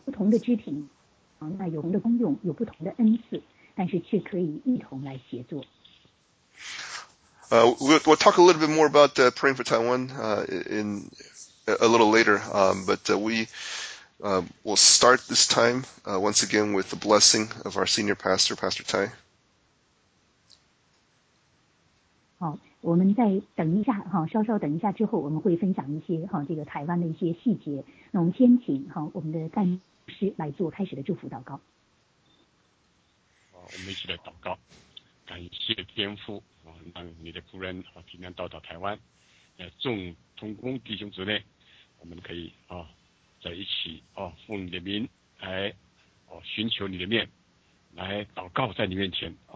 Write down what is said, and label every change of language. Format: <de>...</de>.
<zh>不同的肢体那有不同的功用，有不同的恩赐，但是却可以一同来协作。</zh> <en>We'll talk a little bit more about praying for Taiwan in a little later, but we will start this time once again with the blessing of our senior pastor, Pastor Tai.</en> <zh>好，我们再等一下稍稍等一下之后，我们会分享一些这个台湾的一些细节。那我们先请我们的干事来做开始的祝福祷告。好，我们一起来祷告，感谢天父。让你的仆人平安到达台湾，众同工弟兄姊妹，我们可以在一起奉你的名来寻求你的面，来祷告在你面前</zh>